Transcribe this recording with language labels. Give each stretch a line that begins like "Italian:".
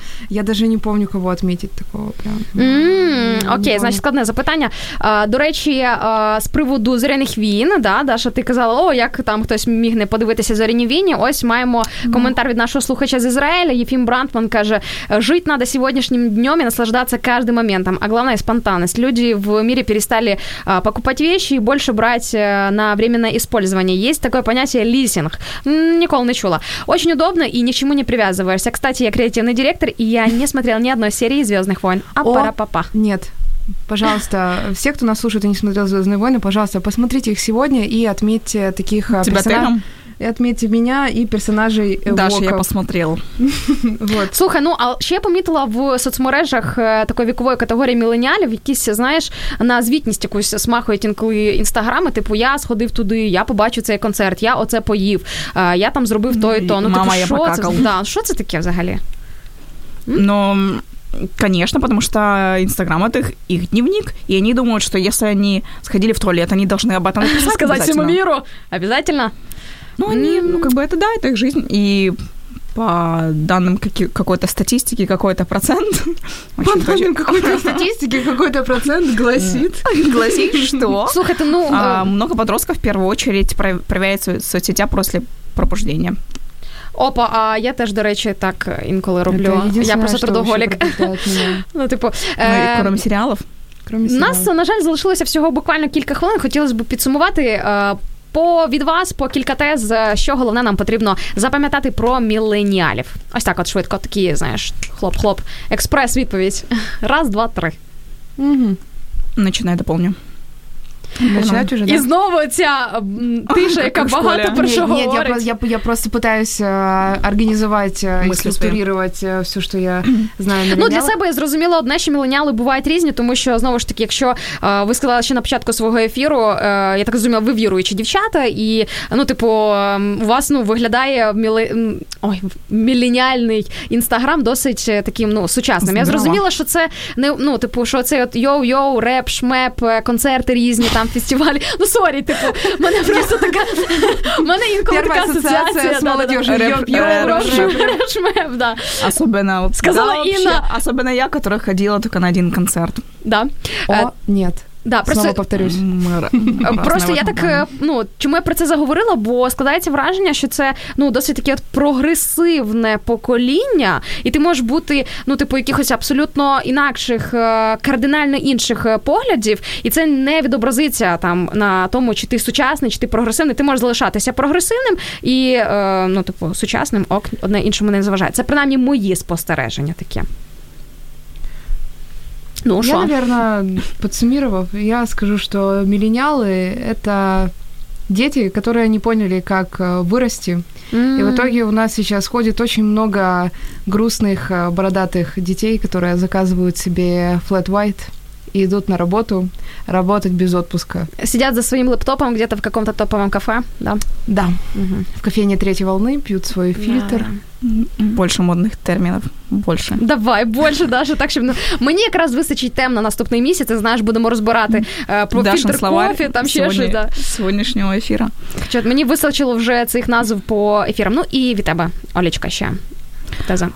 Russian: я даже не помню, кого отметить такого.
Ukrainian: Окей, значить, складне запитання. До речі, з приводу «Зоряних війн», да, Даша, ти казала, о, як там хтось міг не подивитися «Зоряні війни», ось маємо коментар від нашого слухача з Ізраїля. Єфім Брантман каже,
Russian: жить надо
Ukrainian: сьогоднішнім днем і наслаждатися кожним моментом, а головне – спонтанність. Люди в мірі перестали покупати вещи і більше брати на временне использование. Є таке поняття «лізинг». Ніколи не чула.
Russian: Очень удобно
Ukrainian: і нічому не прив'язуєшся.
Russian: Кстати, я креативний директор, і я не смотрел ни одной серии «Звездных войн». А пара-папа. Нет. Пожалуйста, все, кто нас слушает и не смотрел «Звездные войны», пожалуйста, посмотрите их сегодня и отметьте таких персонажей. И отметьте меня и персонажей Вока. Даша, я посмотрел. Вот.
Ukrainian: Слухай, ну, а ще я помітила в соцмережах такої вікової категорії міленіалів, якісь, знаєш, на звітність якусь смахують інколи інстаграми, типу, я сходив туди, я побачив цей концерт, я оце поїв, я там зробив то і то. Ну, мама, типу, я покакав. Да, що це таке взагалі?
Russian: Ну, конечно, потому что Инстаграм — это их дневник, и они думают, что если они сходили в туалет, они должны об этом написать. Сказать всему миру! Обязательно! Ну, они, ну, как бы это, да, это их жизнь, и по данным какой-то статистики, какой-то процент... По данным какой-то статистики, какой-то процент гласит... Гласит, что? Слушай, это, ну... Много подростков в первую очередь проверяют свои соцсети после пробуждения.
Ukrainian: Опа, а я теж, до речі, так інколи роблю. Я просто трудоголік. Ну, типу, крім серіалів. У нас, на жаль, залишилося всього буквально кілька хвилин. Хотілося б підсумувати від вас по кілька тез, що головне нам потрібно запам'ятати про міленіалів. Ось так от швидко, такі, знаєш, хлоп-хлоп, експрес-відповідь. Раз, два, три. Починай, доповню.
Russian: Начинать уже, да? И снова тебя тише, как багато про что говорить. Нет, я просто пытаюсь организовать и структурировать все, что я знаю.
Ukrainian: Ну, для себя я зрозуміла одне, що міленіали бувають різні, тому що, знову ж таки, якщо ви сказали ще на початку свого ефіру, я так розуміла, ви віруючі дівчата, і, ну, типу, у вас, ну, виглядає міленіальний інстаграм досить таким, ну, сучасним. Здорово. Я зрозуміла, що це, не, ну, типу, що це от йоу-йоу, реп, шмеп, концерти різні, там фестивалі. Ну, сорі, типу, мене просто така... мене інколи така асоціація з молодіжою. Реп-шмеп, да.
Russian: Особенно...
Ukrainian: Сказала Інна.
Russian: Особенно я, которая ходила только на один концерт. Да. О, нет. Да,
Ukrainian: просто, знову повторюсь. Просто я так, ну, чому я про це заговорила, бо складається враження, що це, ну, досить таке от прогресивне покоління, і ти можеш бути, ну, типу, якихось абсолютно інакших, кардинально інших поглядів, і це не відобразиться там на тому, чи ти сучасний, чи ти прогресивний, ти можеш залишатися прогресивним і, ну, типу, сучасним, ок, одне іншому не заважає. Це, принаймні, мої спостереження такі. Ну,
Russian: я, наверное, подсуммировав, я скажу, что миллениалы — это дети, которые не поняли, как вырасти. Mm-hmm. И в итоге у нас сейчас ходит очень много грустных бородатых детей, которые заказывают себе flat white и идут на работу, работать без отпуска. Сидят за своим лэптопом где-то в каком-то топовом кафе, да? Да. Mm-hmm. В кофейне третьей волны пьют свой фильтр. Больше
Ukrainian: модних термінів.
Russian: Больше.
Ukrainian: Давай, більше, Даша, так, щоб... Мені якраз вистачить тем на наступний місяць, і, знаєш, будемо розбирати про Дашин фільтр кофі, там сьогодні, ще щось, да. Сьогоднішнього ефіру. Чот, мені вистачило вже цих назв по ефірам. Ну, і від тебе, Олечка, ще. Теза.